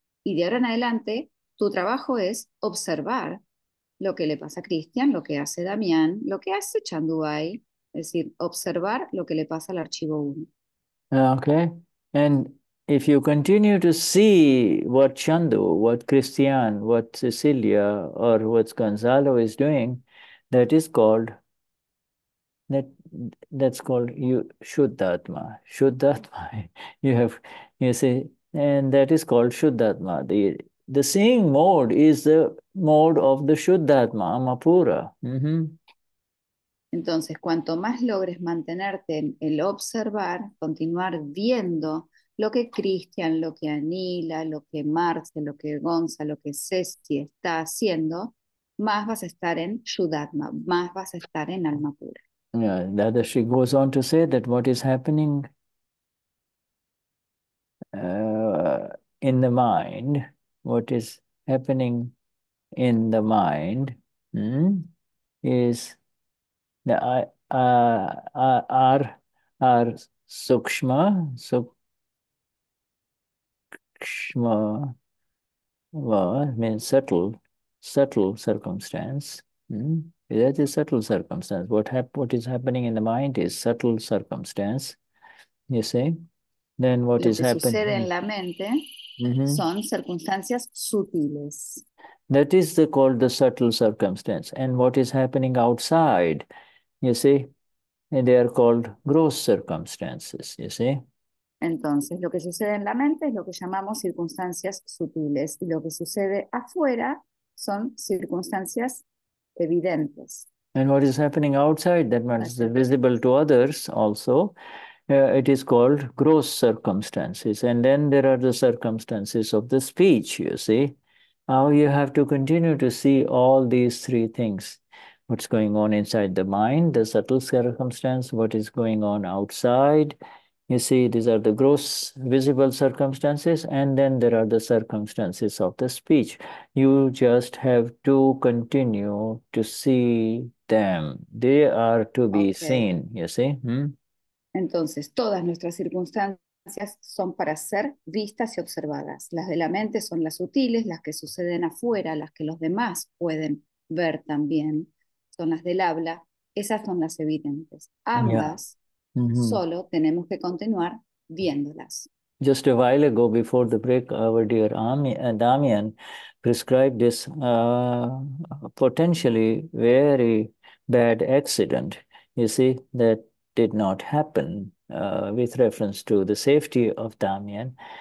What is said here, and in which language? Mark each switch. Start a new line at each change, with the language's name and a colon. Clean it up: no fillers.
Spanish: Y de ahora en adelante, tu trabajo es observar lo que le pasa a Cristian, lo que hace Damián, lo que hace Chandubai, es decir, observar lo que le pasa al archivo 1.
English: Okay, and if you continue to see what Chandu, what Christian, what Cecilia, or what Gonzalo is doing, that is called, that's called you Shuddhatma. Shuddhatma, you have, you see, and that is called Shuddhatma. The seeing mode is the mode of the Shuddhatma, Amapura. Mm-hmm.
Spanish: Entonces, cuanto más logres mantenerte en el observar, continuar viendo lo que Cristian, lo que Anila, lo que Marce, lo que Gonza, lo que Ceci está haciendo, más vas a estar en Shuddhatma, más vas a estar en alma pura.
English: Yeah, Dadashri goes on to say that what is happening in the mind, what is happening in the mind is the our sukshma, so means subtle circumstance. That is subtle circumstance. What is happening in the mind is subtle circumstance. You see? Then what
Spanish: lo
English: is happening
Spanish: sucede en la mente son circunstancias sutiles.
English: That is the, called the subtle circumstance. And what is happening outside, you see? And they are called gross circumstances, you see?
Spanish: Entonces, lo que sucede en la mente es lo que llamamos circunstancias sutiles. Y lo que sucede afuera son circunstancias evidentes.
English: And what is happening outside, that means visible to others also, it is called gross circumstances. And then there are the circumstances of the speech, you see. How you have to continue to see all these three things. What's going on inside the mind, the subtle circumstance, what is going on outside. You see, these are the gross visible circumstances, and then there are the circumstances of the speech. You just have to continue to see them. They are to be seen, you see.
Spanish: Entonces, todas nuestras circunstancias son para ser vistas y observadas. Las de la mente son las sutiles, las que suceden afuera, las que los demás pueden ver también. Son las del habla, esas son las evidentes. Ambas.
English: Yeah.
Spanish: Solo tenemos que continuar viéndolas.
English: Just a while ago, before the break, our dear Damian prescribed this potentially very bad accident, you see, that did not happen with reference to the safety of Damian.